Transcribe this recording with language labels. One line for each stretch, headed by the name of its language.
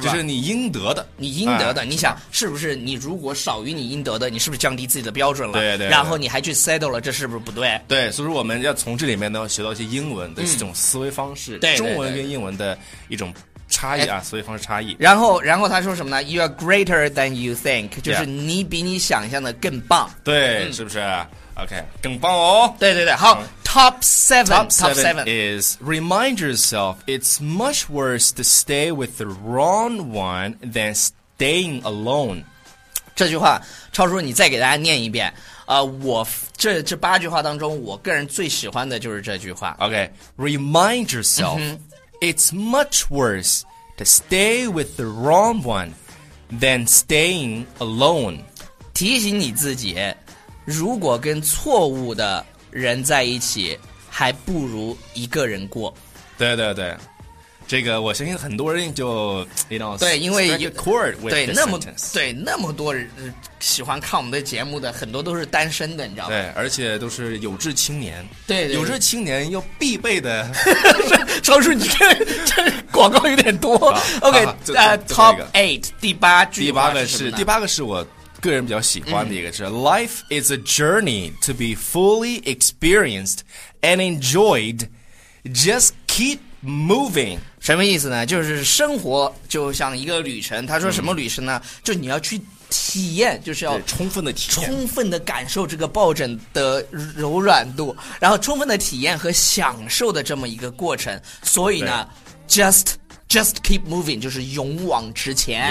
Chinese: 吧，就是你应得的，你应得的、哎、你想是不是你如果少于你应得的，你是不是降低自己的标准了？对， 对对。然后你还去 settle 了，这是不是不对？对，所以说我们要从这里面呢学到一些英文的这种思维方式、嗯、对对对，中文跟英文的一种差异啊、哎、思维方式差异。然后他说什么呢？
English: You are greater than you think，
Chinese: 就是你比你想象的更棒、 yeah. 对、嗯、是不是？OK， 更棒哦！对对对，好、嗯、，Top seven，
English: Top seven is remind yourself it's much worse to stay with the wrong one than staying alone。
Chinese: 这句话，超叔，你再给大家念一遍。我这八句话当中，我个人最喜欢的就是这句话。
English: OK， remind yourself、嗯、it's much worse to stay with the wrong one than staying alone。
Chinese: 提醒你自己。如果跟错误的人在一起，还不如一个人过。对对对，这个我相信很多人就
English: you know,
Chinese: 对，因为 chord with 对那么对那么多人喜欢看我们的节目的，很多都是单身的，你知道吗？对，而且都是有志青年。对， 对， 对，有志青年又必备的。超叔，你看这广告有点多。 OK， Top Eight 第八句，第八个是我。个人比较喜欢的一个是、嗯、
English: Life is a journey to be fully experienced and enjoyed. Just keep moving.
Chinese: 什么意思呢？就是生活就像一个旅程。他说什么旅程呢、嗯、就你要去体验，就是要充分的体验，充分的感受这个抱枕的柔软度，然后充分的体验和享受的这么一个过程。所以呢
English: Just keep moving，
Chinese: 就是勇往直前，